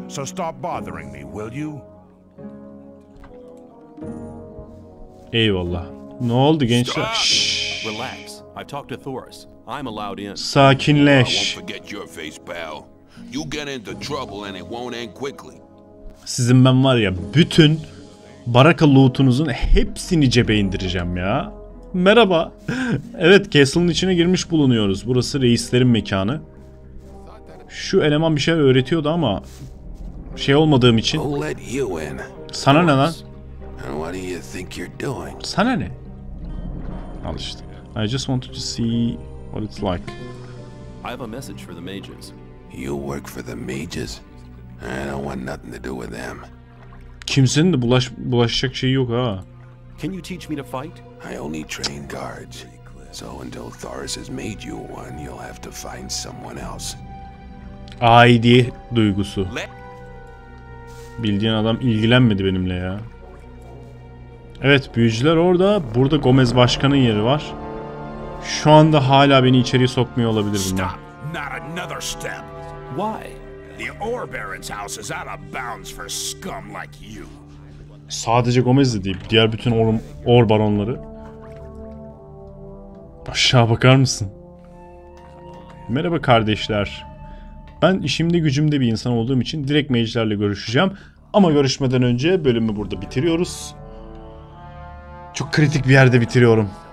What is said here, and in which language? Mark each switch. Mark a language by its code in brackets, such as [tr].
[en] So stop bothering me, will you? [tr] Eyvallah. Ne oldu gençler? [en] Relax. I've talked to Thoris. I'm allowed in. [tr] Sakinleş. [en] I won't forget your face, pal. You get into trouble and it won't end quickly. [tr] Sizin ben var ya bütün baraka loot'unuzun hepsini cebe indireceğim ya. Merhaba. Evet, castle'ın içine girmiş bulunuyoruz. Burası reislerin mekanı. Şu eleman bir şey öğretiyordu ama şey olmadığım için. Sana ne lan? [en] What do you think you're doing? [tr] Sana ne? Al işte. [en] I just wanted to see what it's like. I have a message for the mages. You work for the mages? I don't want nothing to do with them. [tr] Kimsenin de bulaşacak şeyi yok ha. [en] Can you teach me to fight? I only train guards. So until Thoris has made you one, you'll have to find someone else. [tr] Aidi duygusu. Bildiğin adam ilgilenmedi benimle ya. Evet, büyücüler orada. Burada Gomez başkanın yeri var. Şu anda hala beni içeriye sokmuyor olabilir bunlar. [en] Not another step. Why? The Ore Baron's house is out of bounds for scum like you. [tr] Sadece Gomez de değil, diğer bütün Ore Baronları. Aşağı bakar mısın? Merhaba kardeşler. Ben işimde gücümde bir insan olduğum için direkt mecilerle görüşeceğim. Ama görüşmeden önce bölümü burada bitiriyoruz. Çok kritik bir yerde bitiriyorum.